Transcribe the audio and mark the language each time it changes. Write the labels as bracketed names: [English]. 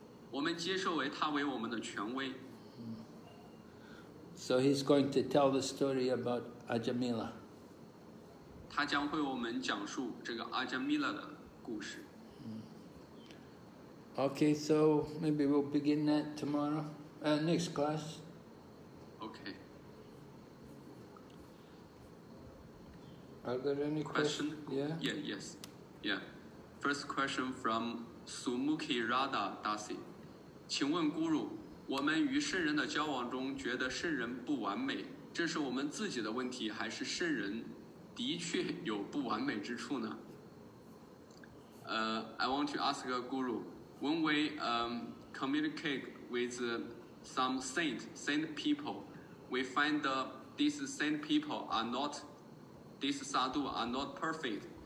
[Chinese] 我们接受为他为我们的权威。 [English] So he's going to tell the story about Ajamila. [Chinese] 他将会我们讲述这个阿姜米拉的故事。 [English] Okay, so maybe we'll begin that tomorrow, next class. Okay. Are there any questions? Yeah. First question from Sumukhi Radha Dasi. [Chinese] 请问 Guru, 我们与圣人的交往中觉得圣人不完美，这是我们自己的问题，还是圣人？的确有不完美之处呢。 [English] I want to ask a guru, when we communicate with some saint people, we find that these saint people are not, these sadhu are not perfect.